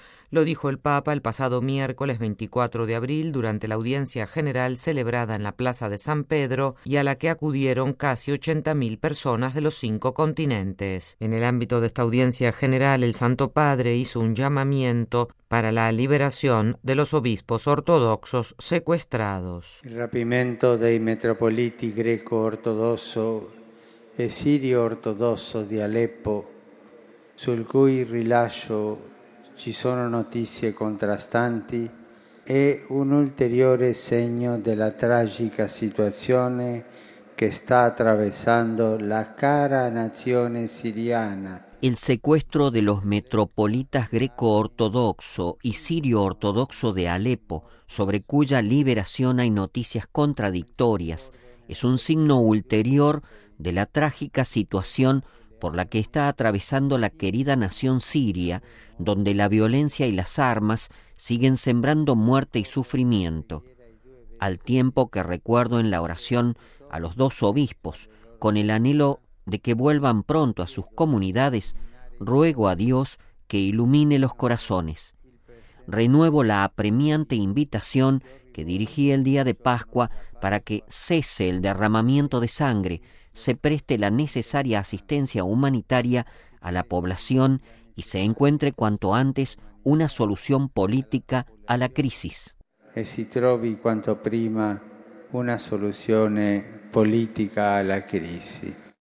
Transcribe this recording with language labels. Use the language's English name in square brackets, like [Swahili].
[Spanish] Lo dijo el Papa el pasado miércoles 24 de abril durante la audiencia general celebrada en la Plaza de San Pedro y a la que acudieron casi 80.000 personas de los 5 continentes. En el ámbito de esta audiencia general, el Santo Padre hizo un llamamiento para la liberación de los obispos ortodoxos secuestrados. [Italian] El rapimento dei metropoliti greco ortodosso e sirio ortodosso di Aleppo, sul cui rilascio ci sono notizie contrastanti, è un ulteriore segno della tragica situazione che sta attraversando la cara nazione siriana. [Spanish] El secuestro de los metropolitas greco-ortodoxo y sirio-ortodoxo de Alepo, sobre cuya liberación hay noticias contradictorias, es un signo ulterior de la trágica situación por la que está atravesando la querida nación siria, donde la violencia y las armas siguen sembrando muerte y sufrimiento. Al tiempo que recuerdo en la oración a los dos obispos, con el anhelo de que vuelvan pronto a sus comunidades, ruego a Dios que ilumine los corazones. Renuevo la apremiante invitación que dirigí el día de Pascua para que cese el derramamiento de sangre, se preste la necesaria asistencia humanitaria a la población y se encuentre cuanto antes una solución política a la crisis. [Italian] E si trovi quanto prima una soluzione politica alla crisi.